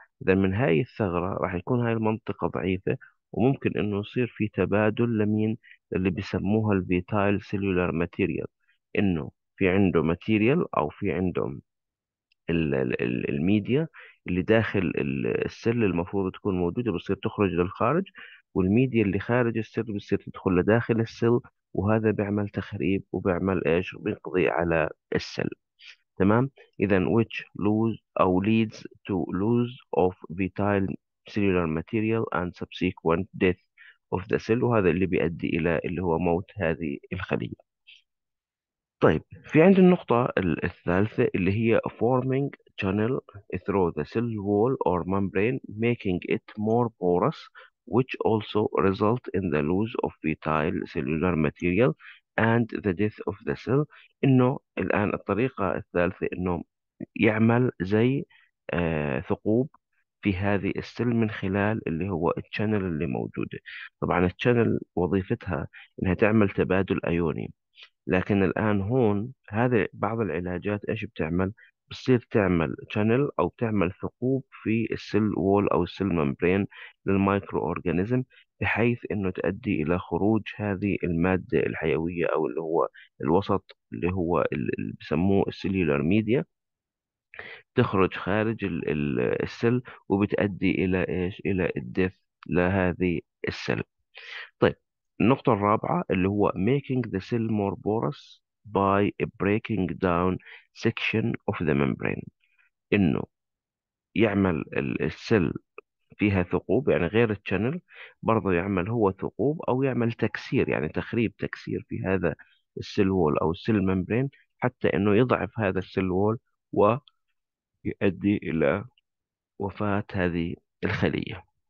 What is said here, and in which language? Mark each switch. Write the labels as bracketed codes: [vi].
[ar] إذا من هاي الثغرة راح يكون هاي المنطقة ضعيفة وممكن إنه يصير في تبادل لمين اللي بيسموها الفيتال سيلولار ماتيريال، إنه في عنده ماتيريال أو في عنده الميديا اللي داخل السل المفروض تكون موجودة بصير تخرج للخارج، والميديا اللي خارج السل بصير تدخل لداخل السل، وهذا بيعمل تخريب وبيعمل ايش بيقضي على السل. تمام؟ اذا [en] which lose [ar] او [en] leads to lose of vital cellular material and subsequent death of the cell، [ar] وهذا اللي بيؤدي الى اللي هو موت هذه الخلية. طيب في عند النقطة الثالثة اللي هي [en] forming channel through the cell wall or membrane making it more porous which also result in the loss of vital cellular material and the death of the cell. [ar] إنه الآن الطريقة الثالثة إنه يعمل زي ثقوب في هذه السل من خلال اللي هو الشانل اللي موجودة. طبعا الشانل وظيفتها إنها تعمل تبادل أيوني، لكن الآن هون هذه بعض العلاجات إيش بتعمل؟ بتصير تعمل شانل او بتعمل ثقوب في السيل وول او السيل ممبرين للمايكرو اورجانيزم بحيث انه تؤدي الى خروج هذه الماده الحيويه او اللي هو الوسط اللي هو اللي بسموه السيلولار ميديا، تخرج خارج السل وبتؤدي الى ايش؟ الى الدث لهذه السل. طيب النقطه الرابعه اللي هو [en] making the cell more porous by a breaking down section of the membrane. [ar] إنه يعمل السل فيها ثقوب يعني غير الشانل، برضه يعمل هو ثقوب أو يعمل تكسير يعني تخريب تكسير في هذا السل وول أو السل ممبرين حتى إنه يضعف هذا السل وول ويؤدي إلى وفاة هذه الخلية.